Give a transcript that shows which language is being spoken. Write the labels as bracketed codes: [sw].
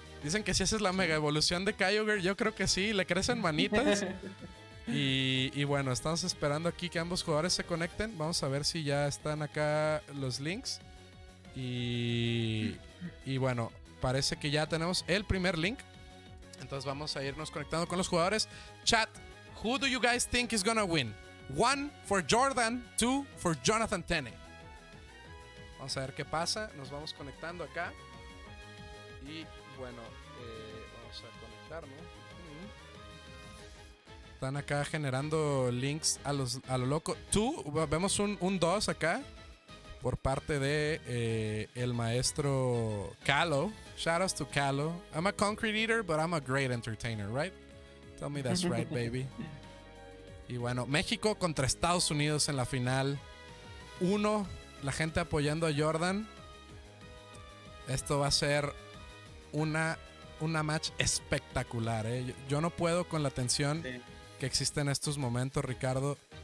[es] Dicen que si esa es la mega evolución de Kyogre, yo creo que sí, le crecen manitas. Y bueno, estamos esperando aquí que ambos jugadores se conecten. Vamos a ver si ya están acá los links. Y bueno, parece que ya tenemos el primer link. Entonces vamos a irnos conectando con los jugadores. [en] Chat, who do you guys think is gonna win? One for Jordan, two for Jonathan Tene. [es] Vamos a ver qué pasa. Nos vamos conectando acá. Y bueno, vamos a conectarnos. Están acá generando links a lo loco. Tú, vemos un 2 acá por parte de el maestro Kalo. [en] Shoutouts to Kalo. I'm a concrete eater, but I'm a great entertainer, right? Tell me that's right, baby. [es] Y bueno, México contra Estados Unidos en la final. 1, la gente apoyando a Jordan. Esto va a ser una match espectacular, ¿eh? Yo no puedo con la tensión que existe en estos momentos, Ricardo.